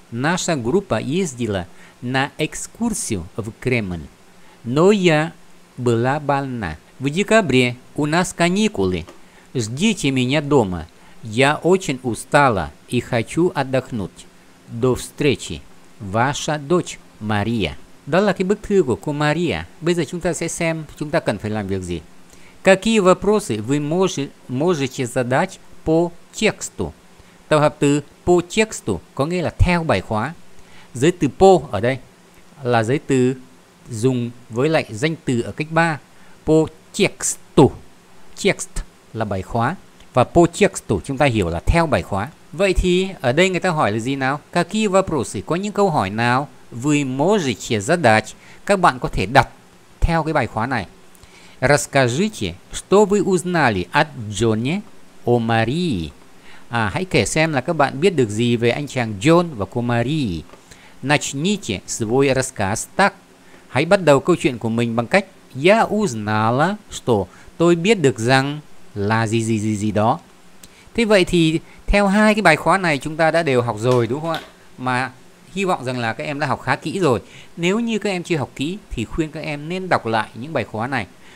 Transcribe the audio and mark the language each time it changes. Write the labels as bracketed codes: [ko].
[ru] Наша группа ездила на экскурсию в Кремль, но я была больна. В декабре у нас каникулы. Ждите меня дома. Я очень устала и хочу отдохнуть. До встречи. Ваша дочь Мария. [vi] Đó là cái bức thư của cô Maria. Bây giờ chúng ta sẽ xem chúng ta cần phải làm việc gì. [ru] Какие вопросы вы можете задать по тексту? [vi] Tập hợp từ по тексту có nghĩa là theo bài khóa. Giới từ по ở đây là giới từ dùng với lại danh từ ở cách 3. [ru] По тексту. [vi] Текст là bài khóa. Và по тексту chúng ta hiểu là theo bài khóa. Vậy thì ở đây người ta hỏi là gì nào? [ru] Какие вопросы? [vi] Có những câu hỏi nào? [ru] Вы можете задать? [vi] Các bạn có thể đặt theo cái bài khóa này. [ru] Расскажите, что вы узнали от Джонни о Марии? [vi] Hãy kể xem là các бạn biết được gì về anh chàng John và cô Marie. [ru] Начните свой рассказ так. [vi] Hãy bắt đầu câu chuyện của mình bằng cách [ru] я узнала, что [vi] tôi biết được rằng là gì đó. Thế vậy thì theo hai cái bài khóa này chúng ta đã đều học rồi đúng không ạ? Mà hy vọng rằng là các em đã học khá kỹ rồi. Nếu như các em chưa học kỹ thì khuyên các em nên đọc lại những bài khóa này.